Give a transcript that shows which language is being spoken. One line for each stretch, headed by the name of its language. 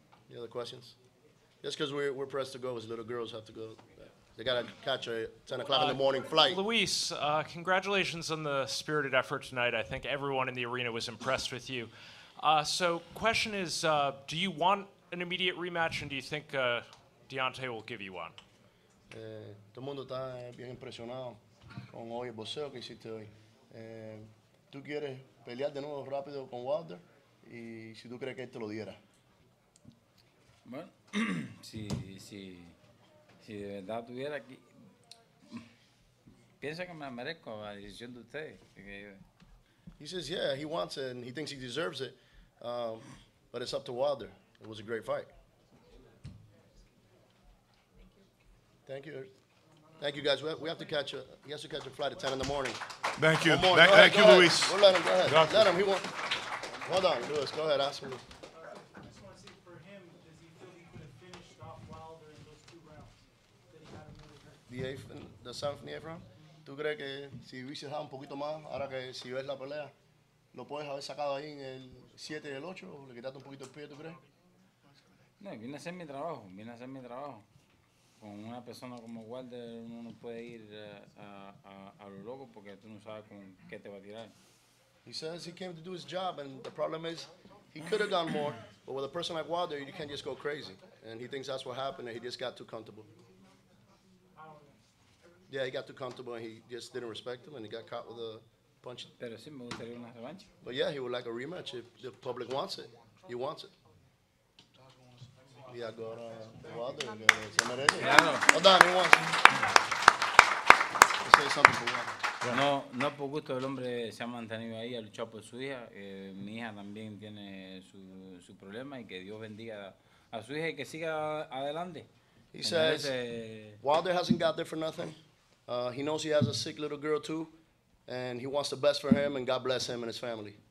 English: Any other questions? Just because we're pressed to go, as little girls have to go. They got to catch a 10 o'clock in the morning flight. Luis, congratulations on the spirited effort tonight. I think everyone in the arena was impressed with you. So question is, do you want an immediate rematch, and do you think Deontay will give you one?
Spanish: Todo el mundo está bien impresionado con hoy el boxeo que hiciste hoy. Tú quieres pelear de nuevo rápido con Wilder, y si tú crees que él te lo diera. Bueno, si de verdad tuviera aquí, piensa que me merezco la decisión de ustedes.
English: He says, yeah, he wants it and he thinks he deserves it, but it's up to Wilder. It was a great fight. Thank you. Thank you, guys. We have to catch a, he has to catch a flight at 10 in the morning. Thank you. Thank you, Luis. We'll let him, go ahead. Gracias. Let him, he won't. Hold on, Luis, go ahead, ask him. The eighth and the seventh and the eighth round.
Spanish: ¿Tú crees que si hubiese dado un poquito más, ahora que si ves la pelea, lo puedes haber sacado ahí en el 7 y el 8? ¿Le quitaste un poquito el pie, tú crees? No, viene a ser mi trabajo, viene a ser mi trabajo. Con una persona como Wilder, uno no puede ir a lo loco porque tú no sabes con qué te va a tirar.
English: He says he came to do his job, and the problem is he could have gone more, but with a person like Wilder, you can't just go crazy. And he thinks that's what happened, and he just got too comfortable. Yeah, he got too comfortable and he just didn't respect him and he got caught with a punch.
Spanish: Pero sí, me gustaría una revancha.
English: But yeah, he would like a rematch if the public wants it. He wants it. Yeah, go to Wilder. Hold on, he wants it. Say something for Wilder.
Spanish: No, no por gusto el hombre se ha mantenido ahí, ha luchado por su hija. Mi hija también tiene su problema y que Dios bendiga a su hija y que siga adelante.
English: He says, Wilder hasn't got there for nothing. He knows he has a sick little girl too, and he wants the best for him, and God bless him and his family.